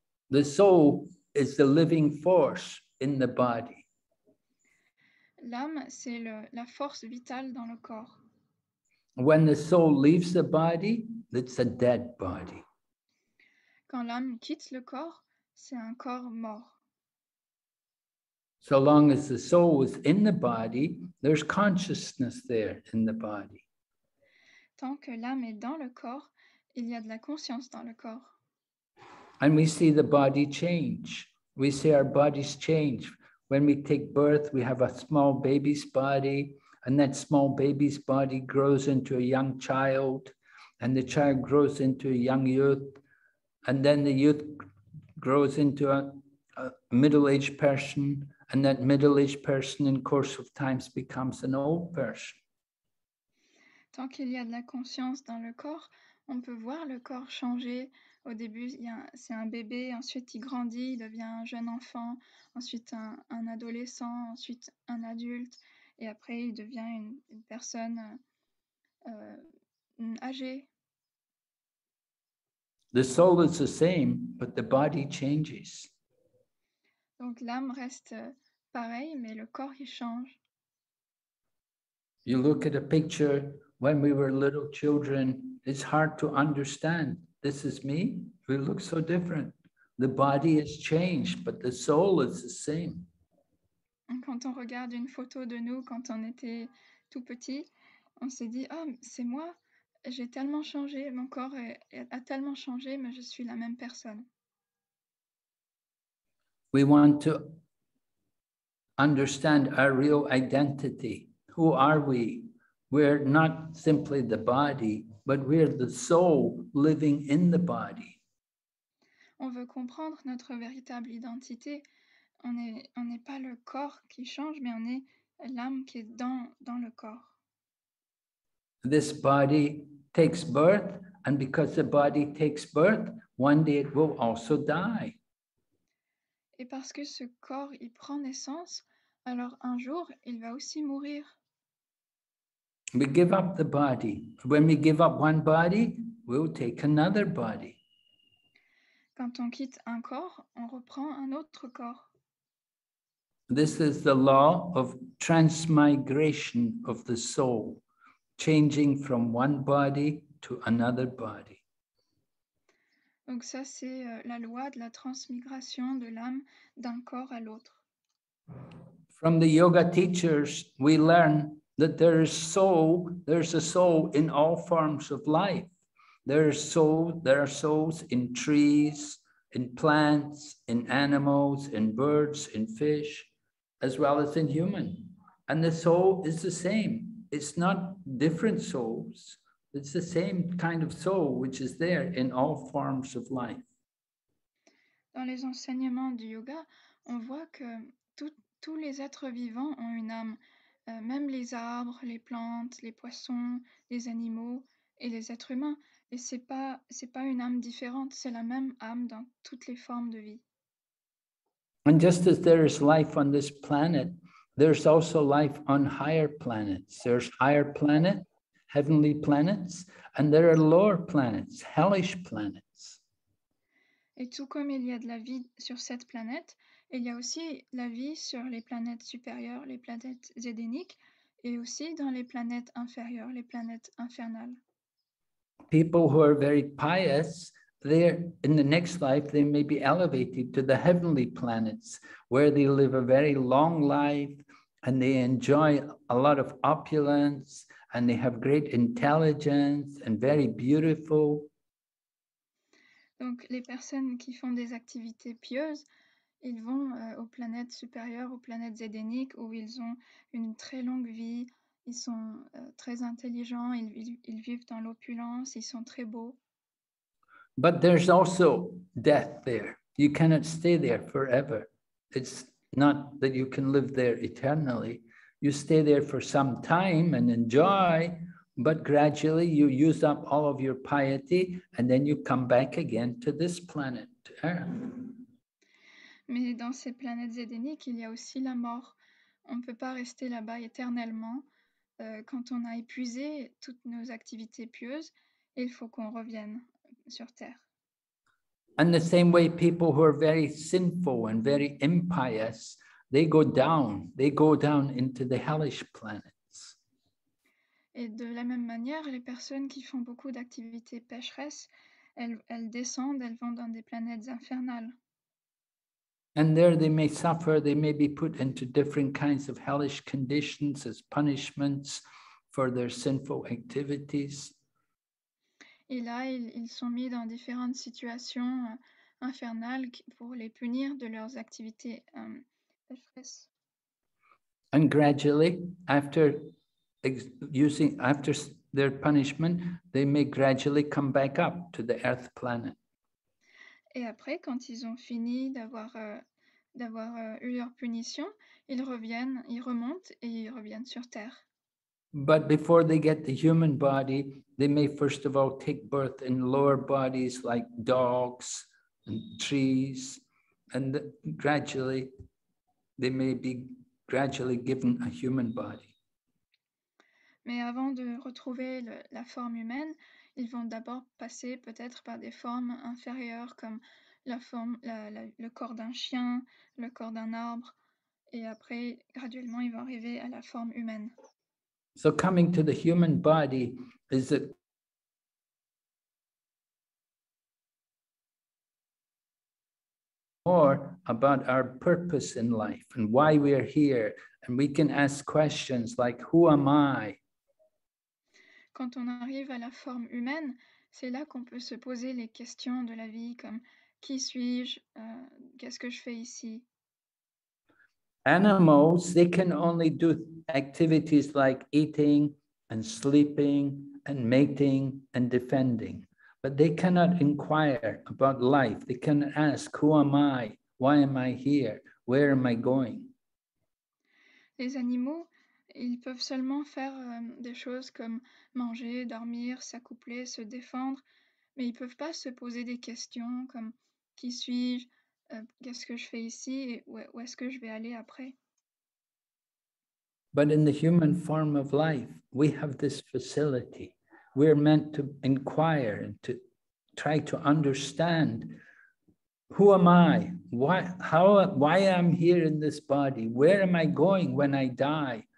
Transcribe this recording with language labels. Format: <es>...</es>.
<en>The soul is the living force in the body.</en> <fr>L'âme, c'est la force vitale dans le corps.</fr> <en>When the soul leaves the body, it's a dead body.</en> <fr>Quand l'âme quitte le corps, c'est un corps mort.</fr> <en>So long as the soul is in the body, there's consciousness there in the body.</en> <fr>Tant que l'âme est dans le corps, il y a de la conscience dans le corps.</fr> <en>And we see the body change. We see our bodies change. When we take birth, we have a small baby's body, and that small baby's body grows into a young child, and the child grows into a young youth, and then the youth grows into a middle-aged person, and that middle-aged person in course of times becomes an old person.</en> <fr>Tant qu'il y a de la conscience dans le corps, on peut voir le corps changer. Au début, c'est un bébé, ensuite il grandit, il devient un jeune enfant, ensuite un adolescent, ensuite un adulte, et après il devient une personne âgée.</fr> <en>The soul is the same, but the body changes.</en> <fr>Donc l'âme reste pareille, mais le corps il change.</fr> <en>You look at a picture when we were little children, it's hard to understand. This is me. We look so different. The body has changed, but the soul is the same.</en> <fr>Quand on regarde une photo de nous quand on était tout petit, on se dit, oh, c'est moi. J'ai tellement changé. Mon corps a tellement changé, mais je suis la même personne.</fr> <en>We want to understand our real identity. Who are we? We're not simply the body. But we're the soul living in the body.</en> <fr>On veut comprendre notre véritable identité. On n'est pas le corps qui change, mais on est l'âme qui est dans le corps.</fr> <en>This body takes birth, and because the body takes birth, one day it will also die.</en> <fr>Et parce que ce corps y prend naissance, alors un jour il va aussi mourir.</fr> <en>We give up the body. When we give up one body, we'll take another body.</en> <fr>Quand on quitte un corps, on reprend un autre corps.</fr> <en>This is the law of transmigration of the soul, changing from one body to another body.</en> <fr>Donc ça, c'est la loi de la transmigration de l'âme d'un corps à l'autre.</fr> <en>From the yoga teachers, we learn that there's a soul in all forms of life. There are souls in trees, in plants, in animals, in birds, in fish, as well as in human. And the soul is the same. It's not different souls. It's the same kind of soul which is there in all forms of life.</en> <fr>Dans les enseignements du yoga, on voit que tous les êtres vivants ont une âme. Même les arbres, les plantes, les poissons, les animaux et les êtres humains. Et c'est pas une âme différente, c'est la même âme dans toutes les formes de vie.</fr> <en>And just as there is life on this planet, there's also life on higher planets. There's higher planets, heavenly planets, and there are lower planets, hellish planets.</en> <fr>Et tout comme il y a de la vie sur cette planète, Il y a aussi la vie sur les planètes supérieures, les planètes édéniques, et aussi dans les planètes inférieures, les planètes infernales.</fr> <en>People who are very pious, they're in the next life, they may be elevated to the heavenly planets, where they live a very long life, and they enjoy a lot of opulence, and they have great intelligence, and very beautiful.</en> <fr>Donc les personnes qui font des activités pieuses, ils vont aux planètes supérieures, aux planètes édéniques, où ils ont une très longue vie, ils sont très intelligents, ils vivent dans l'opulence, ils sont très beaux.</fr> <en>But there's also death there. You cannot stay there forever. It's not that you can live there eternally. You stay there for some time and enjoy, but gradually you use up all of your piety and then you come back again to this planet, Earth.</en> <fr>Mais dans ces planètes édéniques, il y a aussi la mort. On ne peut pas rester là-bas éternellement. Quand on a épuisé toutes nos activités pieuses, il faut qu'on revienne sur Terre.</fr> <en>And the same way, people who are very sinful and very impious, they go down. They go down into the hellish planets.</en> <fr>Et de la même manière, les personnes qui font beaucoup d'activités pécheresses, elles descendent, elles vont dans des planètes infernales.</fr> <en>And there they may suffer, they may be put into different kinds of hellish conditions as punishments for their sinful activities.</en> <fr>Et là, ils sont mis dans différentes situations infernales pour les punir de leurs activités pécheresses.</fr> <en>And gradually, after their punishment, they may gradually come back up to the earth planet.</en> <fr>Et après, quand ils ont fini d'avoir eu leur punition, ils reviennent, ils remontent et ils reviennent sur Terre.</fr> <en>But before they get the human body, they may first of all take birth in lower bodies like dogs and trees, and gradually they may be gradually given a human body.</en> <fr>Mais avant de retrouver la forme humaine, ils vont d'abord passer peut-être par des formes inférieures comme le corps d'un chien, le corps d'un arbre, et après, graduellement, ils vont arriver à la forme humaine.</fr> <en>So coming to the human body is a more about our purpose in life and why we are here, and we can ask questions like, who am I?</en> <fr>Quand on arrive à la forme humaine, c'est là qu'on peut se poser les questions de la vie comme, qui suis-je? Qu'est-ce que je fais ici?</fr> <en>Animals, they can only do activities like eating and sleeping and mating and defending. But they cannot inquire about life. They cannot ask, who am I? Why am I here? Where am I going?</en> <fr>Les animaux, ils peuvent seulement faire des choses comme manger, dormir, s'accoupler, se défendre, mais ils ne peuvent pas se poser des questions comme, qui suis-je? Qu'est-ce que je fais ici? Et où est-ce que je vais aller après?</fr> <en>But in the human form of life, we have this facility. We're meant to inquire and to try to understand, who am I? Why am I here in this body? Where am I going when I die?</en>